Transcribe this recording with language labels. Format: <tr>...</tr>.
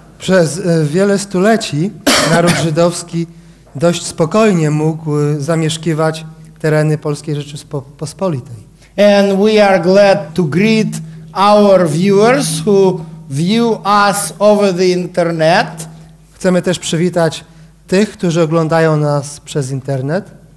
<pl>Przez wiele stuleci naród żydowski dość spokojnie mógł zamieszkiwać tereny Polskiej Rzeczypospolitej.</pl> <en>And we are glad to greet our viewers who view us over the internet.</en> <pl>Chcemy też przywitać tych, którzy oglądają nas przez internet.</pl>